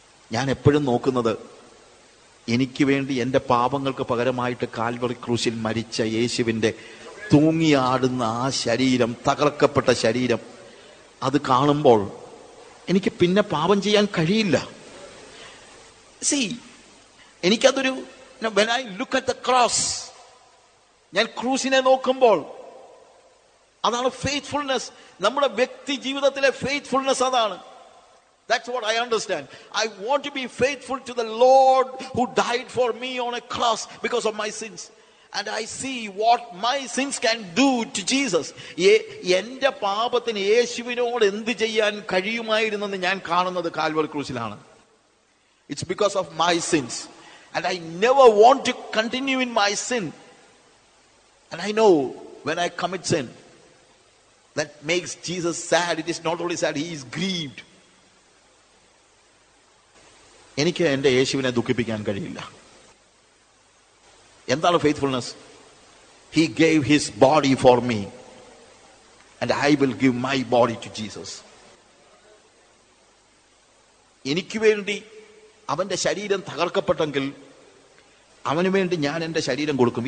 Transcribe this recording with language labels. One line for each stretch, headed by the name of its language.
Malayalam: ഞാൻ എപ്പോഴും നോക്കുന്നത് എനിക്ക് വേണ്ടി എൻ്റെ പാപങ്ങൾക്ക് പകരമായിട്ട് കാൽവറി ക്രൂശിൽ മരിച്ച യേശുവിൻ്റെ തൂങ്ങിയാടുന്ന ആ ശരീരം, തകർക്കപ്പെട്ട ശരീരം, അത് കാണുമ്പോൾ എനിക്ക് പിന്നെ പാപം ചെയ്യാൻ കഴിയില്ല. സി, എനിക്കതൊരു
English: when I look at the cross,
Malayalam: ഞാൻ ക്രൂസിനെ നോക്കുമ്പോൾ അതാണ് ഫെയ്ത്ത്ഫുൾനെസ്. നമ്മുടെ വ്യക്തി ജീവിതത്തിലെ ഫെയ്ത്ത്ഫുൾനെസ് അതാണ്.
English: That's what I understand. I want to be faithful to the Lord who died for me on a cross because of my sins. And I see what my sins can do to Jesus.
Malayalam: എന്റെ പാപത്തിന് യേശുവിനോട് എന്ത് ചെയ്യാൻ കഴിയുമായിരുന്നെന്ന് ഞാൻ കാണുന്നത് Calvary ക്രൂശിലാണ്.
English: It's because of my sins. And I never want to continue in my sin. And I know when I commit sin, that makes Jesus sad. It is not only sad, he is grieved.
Malayalam: എനിക്ക് എൻ്റെ യേശുവിനെ ദുഃഖിപ്പിക്കാൻ കഴിയില്ല. എന്താണ് faithfulness?
English: He gave his body for me and I will give my body to Jesus.
Malayalam: എനിക്ക് വേണ്ടി അവൻ്റെ ശരീരം തകർക്കപ്പെട്ടെങ്കിൽ അവന് വേണ്ടി ഞാൻ എൻ്റെ ശരീരം കൊടുക്കും.